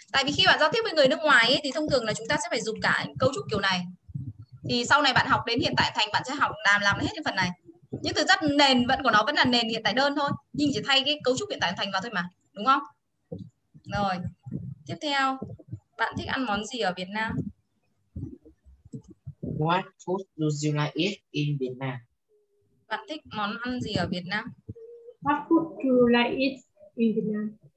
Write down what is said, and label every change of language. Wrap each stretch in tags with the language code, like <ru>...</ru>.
<vi>Tại vì khi bạn giao tiếp với người nước ngoài ấy, thì thông thường là chúng ta sẽ phải dùng cả cấu trúc kiểu này. Thì sau này bạn học đến hiện tại thành, bạn sẽ học làm hết cái phần này. Nhưng thực chất nền vẫn của nó vẫn là nền hiện tại đơn thôi, nhưng chỉ thay cái cấu trúc hiện tại thành vào thôi mà, đúng không? Rồi, tiếp theo, bạn thích ăn món gì ở Việt Nam?</vi> <en>What food do you like eat in Vietnam?</en> <vi>Bạn thích món ăn gì ở Việt Nam?</vi> <en>What food do you like eat in Vietnam?</en>